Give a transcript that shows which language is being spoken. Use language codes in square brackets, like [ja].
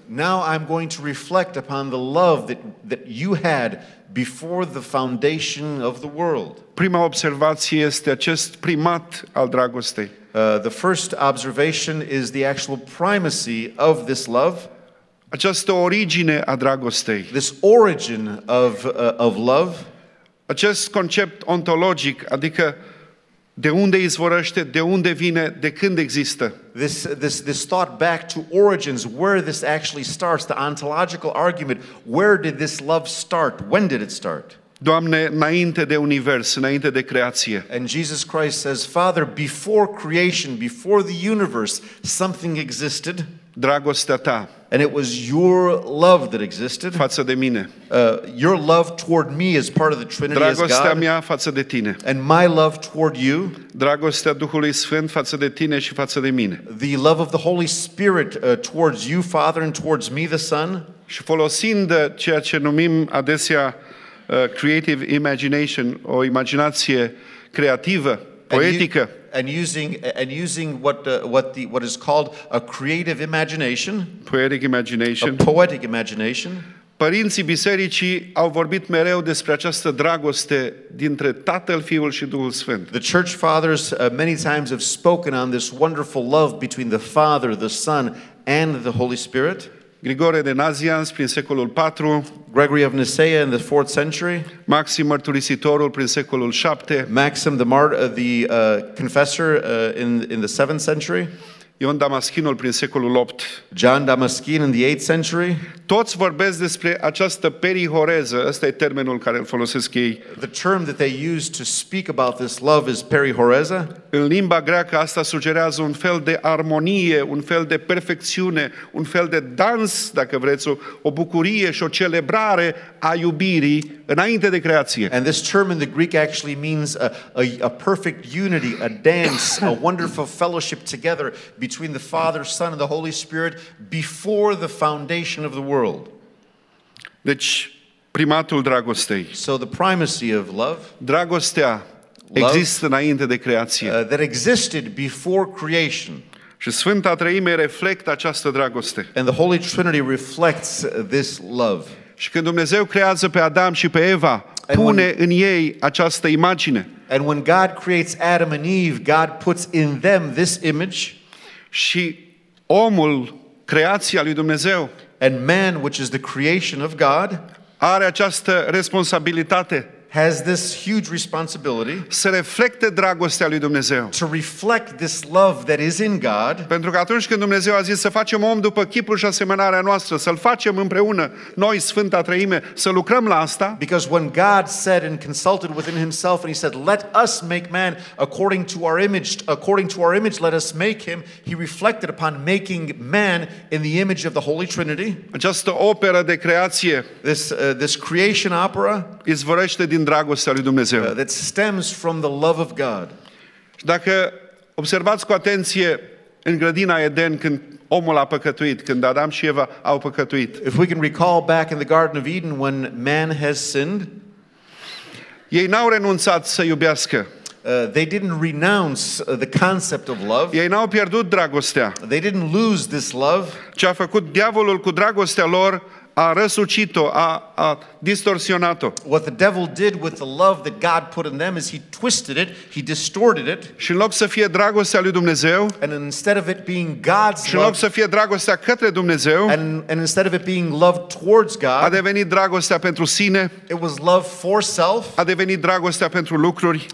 [en] Now I'm going to reflect upon the love that you had before the foundation of the world. [ro] Prima observație este acest primat al dragostei. [en] The first observation is the actual primacy of this love. [ro] Această origine a dragostei. [en] This origin of love. [ro] Acest concept ontologic, adică de unde izvorăște, de unde vine, de când există. [en] This thought back to origins, where this actually starts, the ontological argument, where did this love start, when did it start? [ro] Doamne, înainte de univers, înainte de creație. [en] And Jesus Christ says, Father, before creation, before the universe, something existed. [ro] Dragostea ta. [en] And it was your love that existed. [ro] Față de mine. [en] Your love toward me as part of the Trinity as God. [ro] Dragostea mea față de tine. [en] And my love toward you. [ro] Dragostea Duhului Sfânt față de tine și față de mine. [en] The love of the Holy Spirit towards you, Father, and towards me, the Son. [ro] Și folosind ceea ce numim adesea [en] creative imagination, [ro] o imaginație creativă, poetică. [en] And using what is called a creative imagination, poetic imagination, a poetic imagination. [ro] Părinții bisericii au vorbit mereu despre această dragoste dintre Tatăl, Fiul și Duhul Sfânt. [en] The church fathers many times have spoken on this wonderful love between the Father, the Son and the Holy Spirit. [ro] Grigore de Nazianz prin secolul 4, [en] Gregory of Nyssa in the 4th century, [ro] Maxim Mărturisitorul prin secolul 7, [en] Maxim the confessor in the 7th century, [ro] Ion Damaschinul prin secolul 8. [en] John Damascene in the 8th century. [ro] Toți vorbesc despre această perihoreză, ăsta e termenul care îl folosesc ei. [en] The term that they use to speak about this love is perihoreza. [ro] În limba greacă asta sugerează un fel de armonie, un fel de perfecțiune, un fel de dans, dacă vreți, o bucurie și o celebrare a iubirii înainte de creație. [en] And this term in the Greek actually means a perfect unity, a dance, a wonderful fellowship together between the Father, Son and the Holy Spirit before the foundation of the world. [ro] Deci primatul dragostei. [en] So the primacy of love. [ro] Dragostea există înainte de creație. [en] That existed before creation. [ro] Și Sfânta Treime reflectă această dragoste. [en] And the Holy Trinity reflects this love. [ro] Și când Dumnezeu creează pe Adam și pe Eva, pune în ei această imagine. [en] And when God creates Adam and Eve, God puts in them this image. [ro] Și omul, creația lui Dumnezeu, [en] and man, which is the creation of God, [ro] are această responsabilitate, [en] has this huge responsibility, [ro] să reflecte dragostea lui Dumnezeu, [en] to reflect this love that is in God, [ro] pentru că atunci când Dumnezeu a zis să facem om după chipul și asemănarea noastră, să-l facem împreună, noi, Sfânta Treime, să lucrăm la asta, [en] because when God said and consulted within himself and he said, let us make man according to our image, let us make him, he reflected upon making man in the image of the Holy Trinity. [ro] Această operă de creație, [en] this creation opera, [ro] izvorăște din dragostea lui Dumnezeu. [en] That stems from the love of God. [ro] Dacă observați cu atenție în grădina Eden când omul a păcătuit, când Adam și Eva au păcătuit. [en] If we can recall back in the Garden of Eden when man has sinned, [ro] ei n-au renunțat să iubească. [en] They didn't renounce the concept of love. [ro] Ei n-au pierdut dragostea. [en] They didn't lose this love. [ro] Ce a făcut diavolul cu dragostea lor? A răsucit-o, a distorsionat-o. [en] What the devil did with the love that God put in them is he twisted it, he distorted it. [ro] Și în loc să fie dragostea lui Dumnezeu, [en] and instead of it being God's love, [ro] și în loc să fie dragostea către Dumnezeu, [en] and instead of it being love towards God, [ro] a devenit dragostea pentru sine, [en] it was love for self, [ro] a devenit dragostea pentru lucruri,